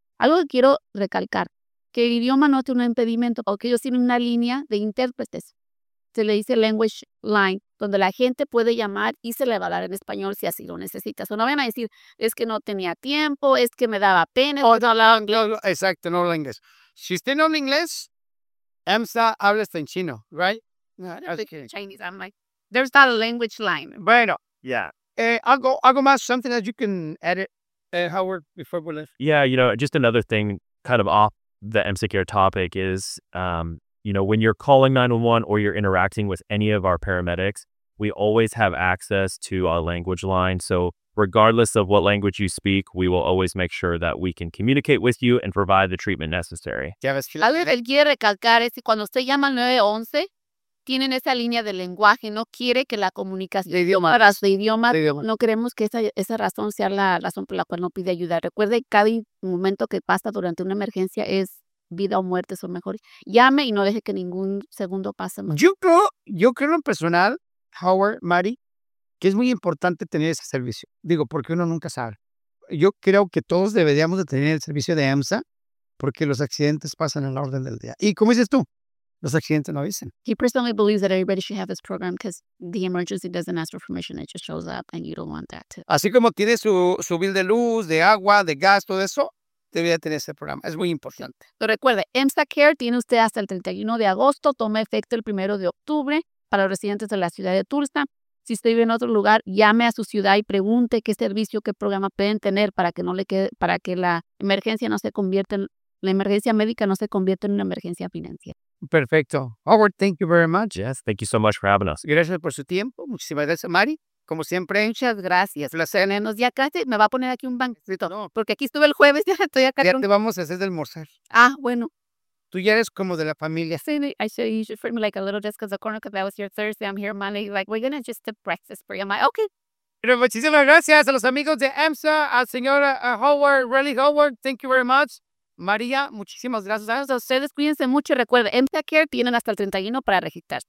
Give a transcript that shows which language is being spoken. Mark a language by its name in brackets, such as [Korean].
[Spanish] Algo que quiero recalcar, que el idioma no es un impedimento, porque ellos tienen una línea de intérpretes. Se le dice Language Line, donde la gente puede llamar y se le va a hablar en español si así lo necesita. O sea, no vayan a decir, es que no tenía tiempo, es que me daba pena. Oh, no hablaba inglés. Exacto, no hablaba inglés. Si usted no habla inglés, EMSA habla hasta en chino, right? [English] Chinese, I'm like, there's not a language line. [Spanish] Bueno, yeah. [English] I'll go ask something that you can edit, Howard, before we leave. Yeah, you know, just another thing kind of off the EMSA Care topic is, you know, when you're calling 911 or you're interacting with any of our paramedics, we always have access to a language line. So regardless of what language you speak, we will always make sure that we can communicate with you and provide the treatment necessary. [Spanish] Algo que él quiere recalcar es que cuando usted llama al 911, tienen esa línea de lenguaje, no quiere que la comunicación de idioma. Para su idioma, de idioma. No queremos que esa razón sea la razón por la cual no pide ayuda. Recuerde, cada momento que pasa durante una emergencia es vida o muerte, son mejores. Llame y no deje que ningún segundo pase más. Yo creo en lo personal, Howard, Mari, que es muy importante tener ese servicio. Digo, porque uno nunca sabe. Yo creo que todos deberíamos de tener el servicio de EMSA porque los accidentes pasan en la orden del día. Y como dices tú, los accidentes no avisan. [English] He personally believes that everybody should have this program because the emergency doesn't ask for permission. It just shows up and you don't want that to. [Spanish] Así como tiene su bill de luz, de agua, de gas, todo eso, debería tener ese programa. Es muy importante. Pero recuerde, EMSA Care tiene usted hasta el 31 de agosto. Toma efecto el 1 de octubre para los residentes de la ciudad de Tulsa. Si usted vive en otro lugar, llame a su ciudad y pregunte qué servicio, qué programa pueden tener para que no le quede, para que la emergencia no se convierta en la emergencia médica, no se convierta en una emergencia financiera. Perfecto. [English] Howard, thank you very much. Yes, thank you so much for having us. [Spanish] Gracias por su tiempo. Muchísimas gracias, Mari. Como siempre, muchas gracias. Placer tenernos. Ya casi me va a poner aquí un banquito. No. Porque aquí estuve el jueves, ya estoy acá. Ya te vamos a hacer de almorzar. Ah, bueno. Tú ya eres como de la familia. [English] Sí, you should treat me like a little desk at the corner because that was your Thursday. I'm here Monday. Like, we're going to just have breakfast for you. I'm like, okay. [Spanish] Pero muchísimas gracias a los amigos de EMSA, a señora Howard, Riley Howard. [English] Thank you very much. María, [Spanish] muchísimas gracias. A ustedes, cuídense mucho y recuerden, EMSA Care tienen hasta el 31 para registrar.